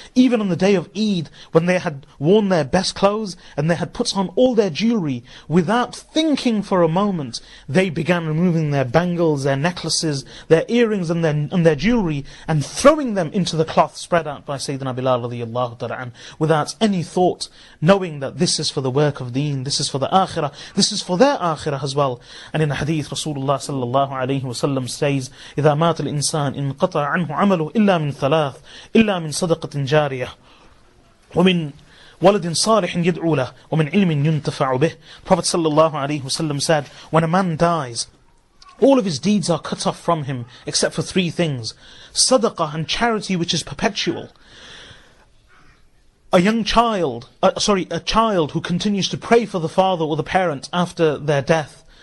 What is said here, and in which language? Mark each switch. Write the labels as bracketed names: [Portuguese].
[English] Even on the day of Eid, when they had worn their best clothes and they had put on all their jewelry, without thinking for a moment, they began removing their bangles, their necklaces, their earrings and their jewelry, and throwing them into the cloth spread out by Sayyidina Bilal radiallahu ta'ala anhu, without any thought, knowing that this is for the work of deen, this is for the akhirah, this is for their akhirah as well. And in a hadith, Rasulullah sallallahu alayhi wa sallam says, [Arabic] إِذَا مَاتَ الْإِنسَانِ إِنْ قَطَعَ عَنْهُ عَمَلُهُ إِلَّا مِنْ ثَلَاثِ إِلَّا مِنْ صَدَقَةٍ جَارِيَةٍ وَمِنْ وَلَدٍ صَالِحٍ يَدْعُو لَهُ وَمِنْ عِلْمٍ يُنْتَفَعُ بِهِ. [English] Prophet sallallahu alayhi wa sallam said, when a man dies, all of his deeds are cut off from him except for three things: sadaqah and charity, which is perpetual. A child who continues to pray for the father or the parent after their death.